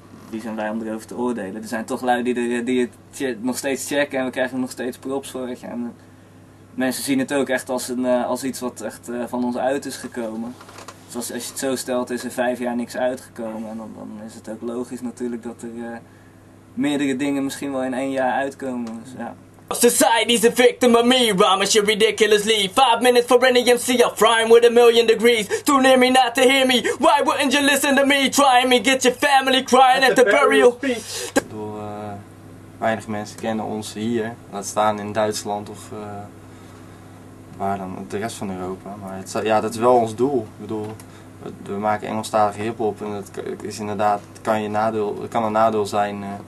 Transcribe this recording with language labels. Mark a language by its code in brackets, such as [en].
[nl] Wie zijn wij om erover te oordelen? Er zijn toch lui die het nog steeds checken en we krijgen er nog steeds props voor. En mensen zien het ook echt als iets wat echt van ons uit is gekomen. Dus als je het zo stelt, is er 5 jaar niks uitgekomen. En dan is het ook logisch natuurlijk dat er meerdere dingen misschien wel in 1 jaar uitkomen. Dus, ja. [en] Society's a victim of me, rhymes you ridiculously. 5 minutes for any MC, I'll fry him with 1,000,000 degrees. Too near me not to hear me, why wouldn't you listen to me? Trying me, get your family crying at the burial speech. [nl] Door weinig mensen kennen ons hier, laat staan in Duitsland of waar dan, de rest van Europa. Maar het, ja, dat is wel ons doel. Ik bedoel, we maken Engelstalige hiphop en dat is inderdaad, kan een nadeel zijn.